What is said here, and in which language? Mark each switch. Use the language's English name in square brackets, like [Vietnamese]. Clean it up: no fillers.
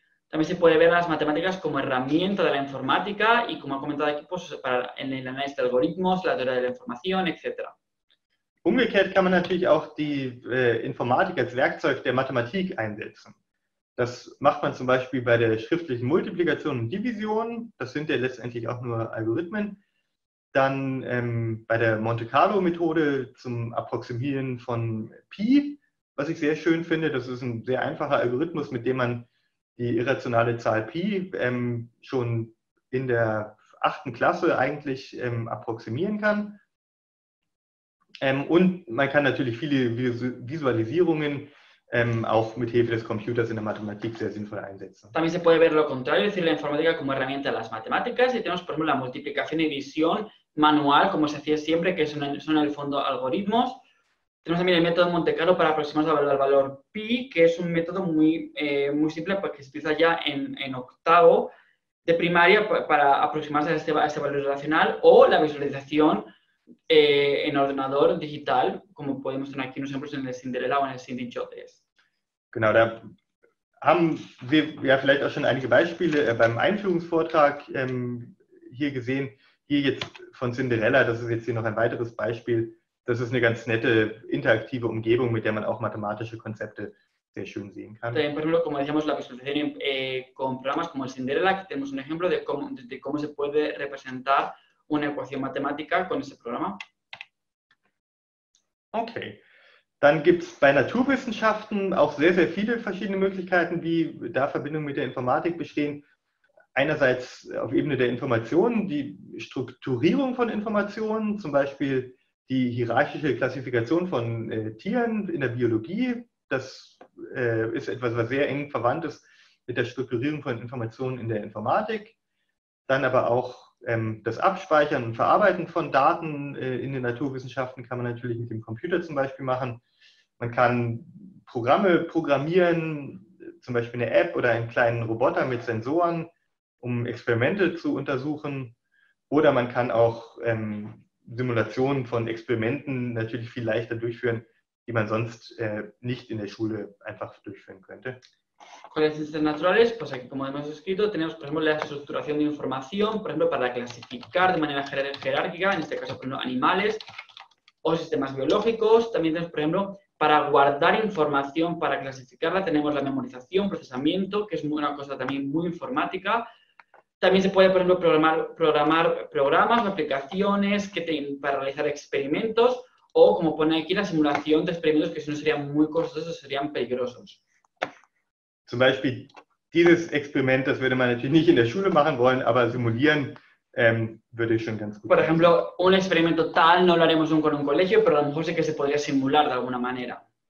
[Spanish] También se puede ver las matemáticas como herramienta de la informática y como ha comentado aquí, pues para el análisis de algoritmos, la teoría de la información, etc. [German] Umgekehrt kann man natürlich auch die Informatik als Werkzeug der Mathematik einsetzen. Das macht man zum Beispiel bei der schriftlichen Multiplikation und Division. Das sind ja letztendlich auch nur Algorithmen. Dann bei der Monte-Carlo-Methode zum Approximieren von Pi, was ich sehr schön finde. Das ist ein sehr einfacher Algorithmus, mit dem man die irrationale Zahl Pi schon in der 8. Klasse eigentlich approximieren kann. Und man kann natürlich viele Visualisierungen auch mit Hilfe des Computers in der Mathematik sehr sinnvoll einsetzen. [Spanish] También se puede ver lo contrario, decir la informática como herramienta de las matemáticas y tenemos, por ejemplo, la multiplicación y división manual, como se hacía siempre, que son en el fondo algoritmos. Tenemos también el método Monte Carlo para aproximarse al valor pi, que es un método muy, muy simple porque se utiliza ya en octavo de primaria para aproximarse a este valor relacional o la visualización en ordenador digital, como podemos tener aquí unos ejemplos en el Cinderella o en el Cindy Jobs. [German] Genau, da haben wir ja vielleicht auch schon einige Beispiele beim Einführungsvortrag hier gesehen, hier jetzt von Cinderella, das ist jetzt hier noch ein weiteres Beispiel, das ist eine ganz nette interaktive Umgebung, mit der man auch mathematische Konzepte sehr schön sehen kann. [Spanish] También, por ejemplo, como decíamos, la visualización con programas como el Cinderella, aquí tenemos un ejemplo de cómo se puede representar una ecuación matemática con ese programa. [German] Okay, dann gibt es bei Naturwissenschaften auch sehr, sehr viele verschiedene Möglichkeiten, wie da Verbindungen mit der Informatik bestehen. Einerseits auf Ebene der Informationen, die Strukturierung von Informationen, zum Beispiel die hierarchische Klassifikation von Tieren in der Biologie. Das ist etwas, was sehr eng verwandt ist mit der Strukturierung von Informationen in der Informatik. Dann aber auch das Abspeichern und Verarbeiten von Daten in den Naturwissenschaften kann man natürlich mit dem Computer zum Beispiel machen. Man kann Programme programmieren, zum Beispiel eine App oder einen kleinen Roboter mit Sensoren, um Experimente zu untersuchen. Oder man kann auch Simulationen von Experimenten natürlich viel leichter durchführen, die man sonst nicht in der Schule einfach durchführen könnte. [Spanish] Con las ciencias naturales, pues aquí como hemos escrito, tenemos por ejemplo la estructuración de información, por ejemplo para clasificar de manera jerárquica, en este caso por ejemplo animales o sistemas biológicos. También tenemos por ejemplo para guardar información, para clasificarla, tenemos la memorización, procesamiento, que es una cosa también muy informática. También se puede por ejemplo programar programas o aplicaciones para realizar experimentos o como pone aquí la simulación de experimentos que si no serían muy costosos, serían peligrosos. [German] Zum Beispiel dieses Experiment, das würde man natürlich nicht in der Schule machen wollen, aber simulieren würde ich schon ganz gut. [Spanish] Por ejemplo, un experimento tal no lo haremos nunca en un colegio, pero a lo mejor sí que se podría simular de alguna manera.